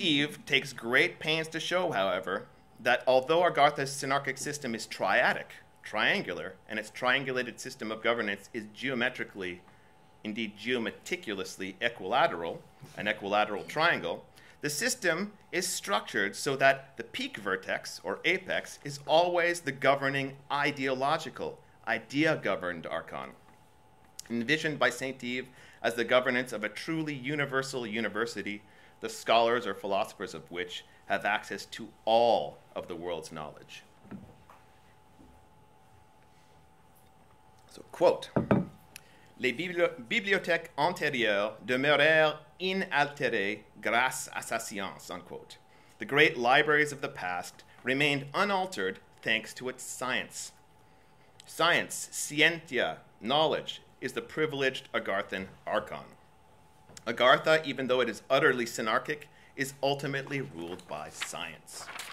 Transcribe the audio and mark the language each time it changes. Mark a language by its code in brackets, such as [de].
[en] Eve takes great pains to show, however, that although Agartha's synarchic system is triadic, triangular, and its triangulated system of governance is geometrically, indeed geometriculously equilateral, an equilateral triangle, the system is structured so that the peak vertex, or apex, is always the governing ideological, idea-governed archon, envisioned by St. Eve as the governance of a truly universal university, the scholars or philosophers of which have access to all of the world's knowledge. So, quote, [fr] les bibliothèques antérieures demeurèrent inaltérées grâce à sa science, [en] unquote. The great libraries of the past remained unaltered thanks to its science. Science, scientia, knowledge, is the privileged Agarthan archon. Agartha, even though it is utterly synarchic, is ultimately ruled by science.